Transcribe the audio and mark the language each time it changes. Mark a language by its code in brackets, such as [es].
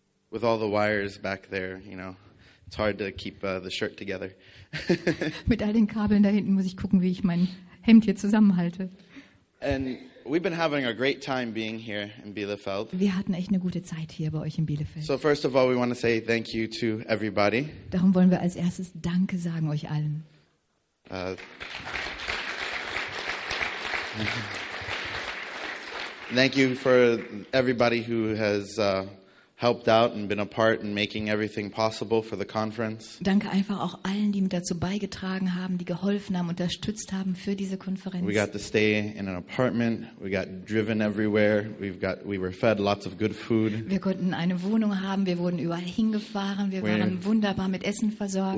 [en] With all the wires back there, you know, it's hard to keep the shirt together. [de] Mit all den Kabeln da hinten muss ich gucken, wie ich mein Hemd hier zusammenhalte. [en] And we've been having a great time being here in Bielefeld. [de] Wir hatten echt eine gute Zeit hier bei euch in Bielefeld. [en] So first of all, we want to say thank you to everybody. [de] Darum wollen wir als erstes Danke sagen euch allen. [en] Thank you for everybody who has helped out and been a part in making everything possible for the conference. [de] Danke einfach auch allen, die mit dazu beigetragen haben, die geholfen haben, unterstützt haben für diese Konferenz. [en] We got to stay in an apartment. We got driven everywhere. We were fed lots of good food. [de] Wir konnten eine Wohnung haben. Wir wurden überall hingefahren. Wir waren wunderbar mit Essen versorgt.